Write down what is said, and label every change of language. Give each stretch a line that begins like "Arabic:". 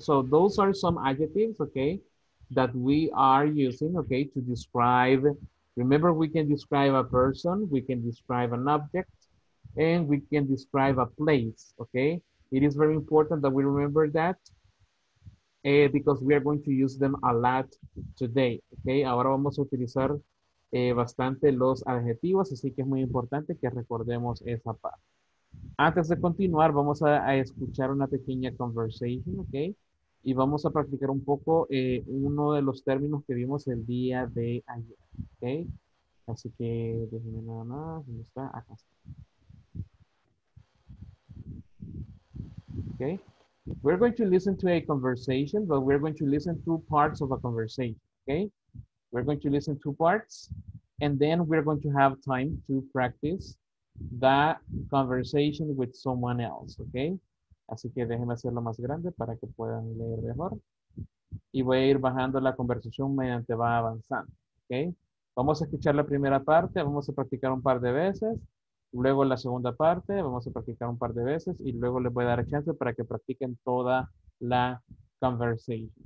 English: So those are some adjectives, okay, that we are using, okay, to describe. Remember, we can describe a person. We can describe an object. And we can describe a place, okay. It is very important that we remember that because we are going to use them a lot today, okay?
Spanish: Ahora vamos a utilizar bastante los adjetivos, así que es muy importante que recordemos esa parte. Antes de continuar, vamos a escuchar una pequeña conversation, okay? Y vamos a practicar un poco uno de los términos que vimos el día de ayer, okay? Así que déjenme nada más, ¿dónde está? Acá está.
English: Okay, we're going to listen to a conversation, but we're going to listen to parts of a conversation, okay? We're going to listen to parts, and then we're going to have time to practice that conversation with someone else, okay?
Spanish: Así que déjenme hacerlo más grande para que puedan leer mejor. Y voy a ir bajando la conversación mediante va avanzando, okay? Vamos a escuchar la primera parte, vamos a practicar un par de veces. Luego la segunda parte, vamos a practicar un par de veces y luego les voy a dar chance para que practiquen toda la conversación.